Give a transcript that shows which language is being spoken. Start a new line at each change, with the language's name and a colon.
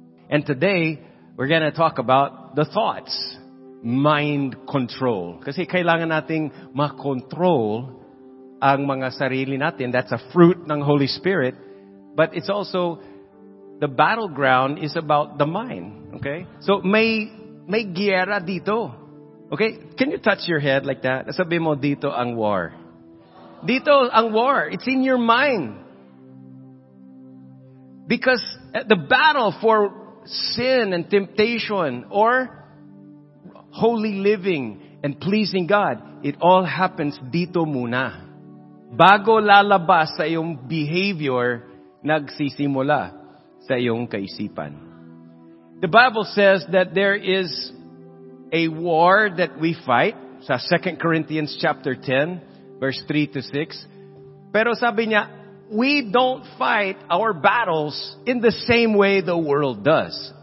English: And today, we're gonna talk about the thoughts. Mind control.
Filipino: Kasi kailangan nating makontrol ang mga sarili natin.
English: That's a fruit ng Holy Spirit. But it's also, the battleground is about the mind. Okay? So
Filipino: may giyera dito.
English: Okay, can you touch your head like that?
Filipino: Sabi mo, dito ang war. Dito ang war.
English: It's in your mind. Because the battle for sin and temptation or holy living and pleasing God, it all happens
Filipino: dito muna. Bago lalabas sa iyong behavior, nagsisimula sa iyong kaisipan.
English: The Bible says that there is a war that we fight, sa 2 Corinthians chapter 10, verse 3 to 6.
Filipino: Pero sabi niya,
English: we don't fight our battles in the same way the world does.